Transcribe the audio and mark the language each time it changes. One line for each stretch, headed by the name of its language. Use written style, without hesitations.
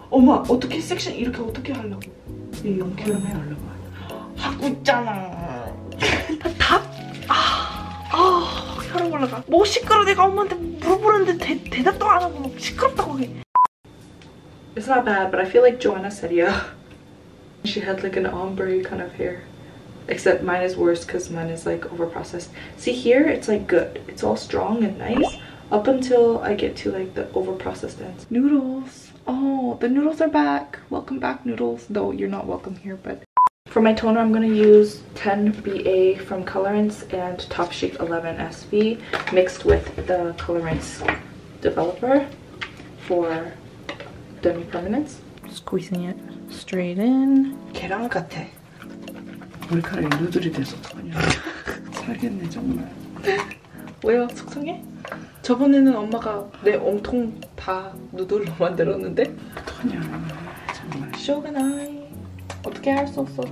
Korean: 엄마, 어떻게 섹션 이렇게 어떻게 하려고? 이 용케로 해, 얼른. 하고 있잖아. 나 답. 아. 아, 혈압 올라가. 뭐 시끄러워. 내가 엄마한테 물어보는데 대답도 안 하고 막 시끄럽다고 해.
English: It's not bad, but I feel like Joanna said, yeah. She had like an ombre kind of hair. Except mine is worse because mine is like overprocessed. See here, it's like good. It's all strong and nice up until I get to like the overprocessed ends. Noodles. Oh, the noodles are back. Welcome back, noodles. Though you're not welcome here, but. For my toner, I'm going to use 10BA from Colorants and Top Shape 11SV mixed with the Colorants developer for demi-permanence. Squeezing it straight in.
Korean: 계란 같아. 머리카락이 누들이 돼서 어떡하냐. 살겠네 정말. 왜요? 속상해? 저번에는 엄마가 내 온통 다 누들로 만들었는데? 어떡하냐 정말. 쇼그나이. 어떻게 할 수 없어.